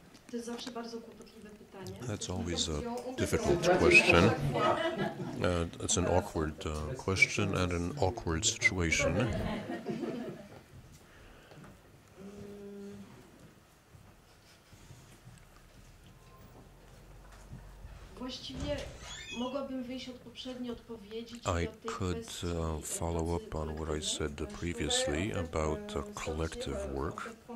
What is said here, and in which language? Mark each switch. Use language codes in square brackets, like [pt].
[pl] To jest zawsze bardzo kłopotliwe pytanie. [en] That's always a difficult question. It's an awkward question and an awkward situation. [pl] Właściwie mogłabym wyjść od poprzedniej odpowiedzi. [en] I could follow up on what I said previously about collective work.